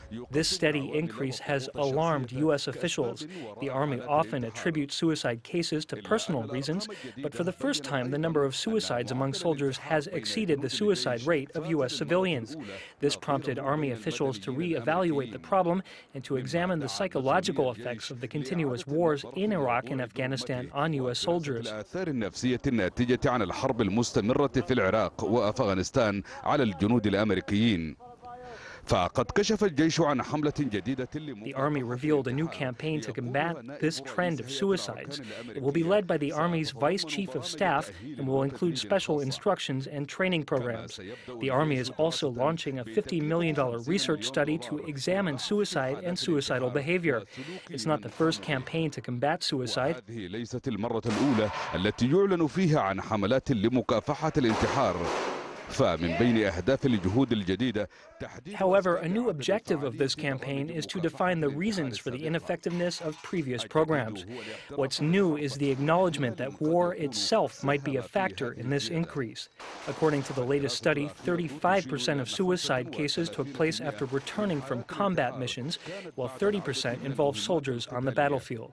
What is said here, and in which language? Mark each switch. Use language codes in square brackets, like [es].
[en] This steady increase has alarmed U.S. officials. The Army often attributes suicide cases to personal reasons, but for the first time, the number of suicides among soldiers has exceeded the suicide rate of U.S. civilians. This prompted Army officials to re-evaluate the problem and to examine the psychological effects of the continuous wars in Iraq and Afghanistan on U.S. soldiers. [ar] الآثار النفسية الناتجة عن الحرب المستمرة في العراق وأفغانستان على الجنود الأمريكيين. فقد كشف الجيش عن حملة جديدة. [en] The Army revealed a new campaign to combat this trend of suicides. It will be led by the Army's Vice Chief of Staff and will include special instructions and training programs. The Army is also launching a $50 million research study to examine suicide and suicidal behavior. It's not the first campaign to combat suicide. [ar] هذه ليست المرة الأولى التي يعلن فيها عن حملات لمكافحة الانتحار. فمن بين أهداف الجهود الجديدة. [en] However, a new objective of this campaign is to define the reasons for the ineffectiveness of previous programs. What's new is the acknowledgement that war itself might be a factor in this increase. According to the latest study, 35% of suicide cases took place after returning from combat missions, while 30% involved soldiers on the battlefield.